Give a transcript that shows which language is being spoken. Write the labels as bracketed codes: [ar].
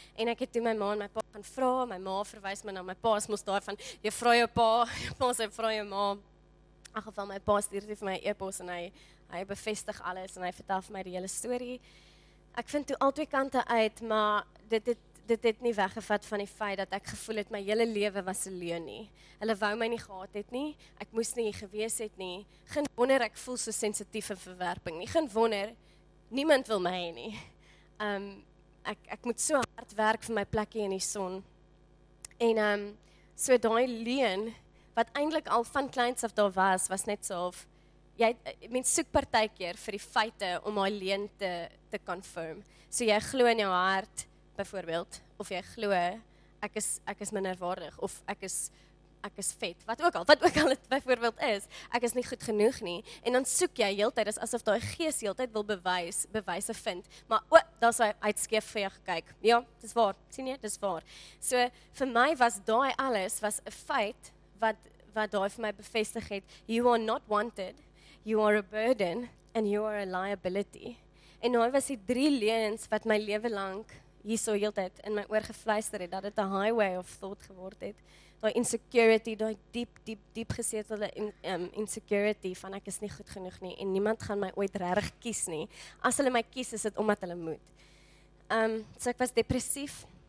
[af] En ek het toe my ma en my pa gaan vra, my ma verwys my na my pa, is mos daarvan, jy vra jou pa, sy vra jou ma. In geval my pa stuur vir my e-pos en hy bevestig alles en hy vertel vir my die hele storie. Ek vind toe al twee kante uit, maar dit het nie weggevat van die feit dat ek gevoel het my hele lewe was 'n leuen nie. Hulle wou my nie gehad het nie, ek moes nie gewees het nie. Geen wonder ek voel so sensitief in verwerping nie. Geen wonder, niemand wil my hê nie. Ek moet so hard werk vir my plekkie in die son. En so daai leuen wat eintlik al van kleins af daar was, was net so of jy mens soek partykeer vir die feite om haar leen te confirm. So jy glo in jou hart byvoorbeeld of jy glo ek is minderwaardig of ek is vet, wat ook al dit byvoorbeeld is, ek is nie goed genoeg nie. En dan soek jy heeltyd asof daai gees heeltyd wil bewyse vind. Maar o, daar's hy uit skeef vir jou gekyk. Ja, dis waar. Sien jy, dis waar. So vir my was daai alles was 'n feit wat daai vir my bevestig het, [en] you are not wanted, you are a burden and you are a liability. [af] En daai was die drie leuns wat my lewe lank hierso heeltyd in my oor gefluister het dat dit 'n [en] highway of thought [af] geword het. Daai insecurity, daai diep gesetelde insecurity van ek is nie goed genoeg nie en niemand gaan my ooit regtig kies nie. As hulle my kies, is dit omdat hulle moet. So ek was depressief.